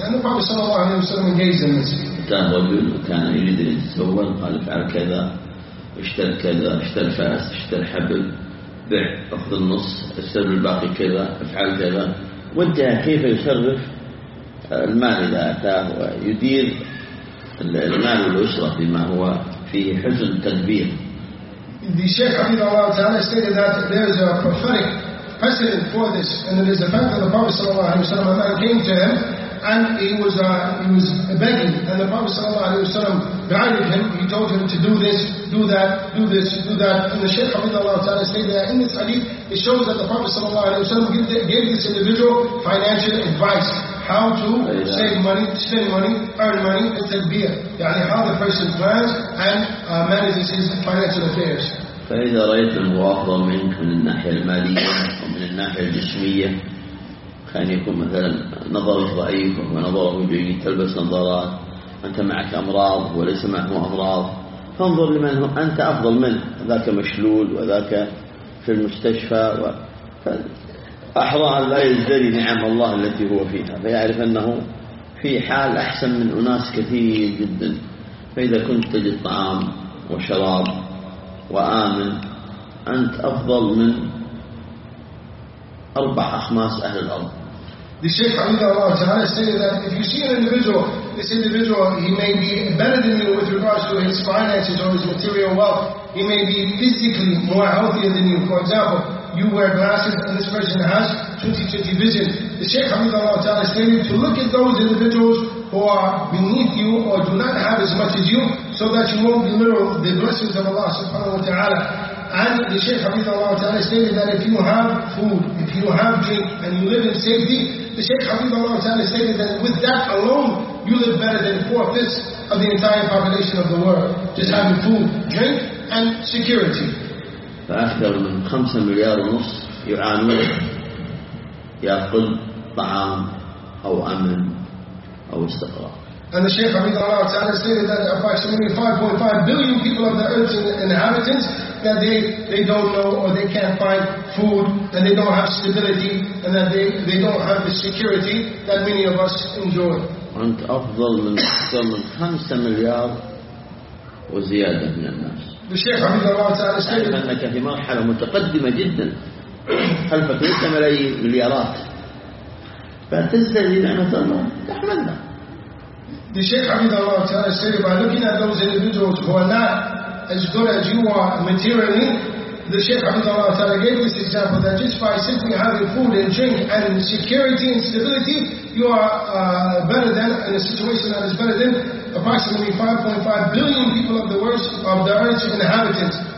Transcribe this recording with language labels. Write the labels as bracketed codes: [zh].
[en] And the Prophet [ar] صلى الله عليه وسلم [en] engaged in this. [ar] كان رجل وكان يريد أن يتزوج قال فعل كذا اشتر كذا اشتر فاس اشتر حبل بع اخذ النص اشتر الباقي كذا افعل كذا وانتهى كيف يصرف المال اذا اتاه ويدير المال والاسره بما هو فيه حزن تدبير. [en] The Shaykh Hafidh Allah Ta'ala stated that there is a prophetic precedent for this, and it is the fact that the Prophet sallallahu alayhi wa sallam, a man came to him and he was begging, and the Prophet sallallahu alayhi wa sallam guided him, he told him to do this, do that, do this, do that. And the Shaykh Hafidh Allah Ta'ala said that in this hadith, it shows that the Prophet sallallahu alayhi wa sallam gave this individual financial advice. How to save money, spend money, earn money, and tadbir. [ar] يعني [en] how the person plans and manages his financial affairs. [ar] فإذا رأيت المواقع منك من الناحية المالية ومن الناحية الجسمية كان يكون مثلا نظرك ضعيف ونظرك جيد تلبس نظارات أنت معك أمراض وليس معهم أمراض فانظر لمن هو أنت أفضل منه ذاك مشلول وذاك في المستشفى فأحرى أن لا يزدري نعم الله التي هو فيها فيعرف أنه في حال أحسن من أناس كثير جدا فإذا كنت تجد طعام وشراب وآمن أنت أفضل من أربع أخماس أهل الأرض. [en] The Shaykh Hafidh Allah Ta'ala stated that if you see an individual, this individual, he may be better than you with regards to his finances or his material wealth. He may be physically more healthier than you. For example, you wear glasses and this person has 20/20 vision. The Shaykh Hafidh Allah Ta'ala stated to look at those individuals who are beneath you or do not have as much as you so that you won't belittle the blessings of Allah Subhanahu Wa Ta'ala. And the Shaykh Hafidh Allah Ta'ala stated that if you have food, if you have drink, and you live in safety, the Shaykh Hafidh Allah Ta'ala stated that with that alone, you live better than 4/5 of the entire population of the world. Just having food, drink, and security. [ar] فأكثر من 5.5 مليار يعانون يأكل طعام أو أمن أو استقرار. [en] And the Shaykh Hafidh Allah Ta'ala stated that approximately 5.5 billion people of the earth's inhabitants, that they don't know or they can't find food, and they don't have stability, and that they don't have the security that many of us enjoy. [ar] أنت أفضل من 5 مليار وزيادة من الناس. [en] The Shaykh Hafidh Allah Ta'ala stated [ar] أنك في مرحلة متقدمة جدا خلفك 6 مليارات فتزدري نعمة الله تحملنا. [en] The Shaykh Hafidh Allah Ta'ala stated by looking at those individuals who are not as good as you are materially, the Shaykh Hafidh Allah Ta'ala gave this example that just by simply having food and drink and security and stability, you are better than, in a situation that is better than, approximately 5.5 billion people of the world, of the earth's inhabitants.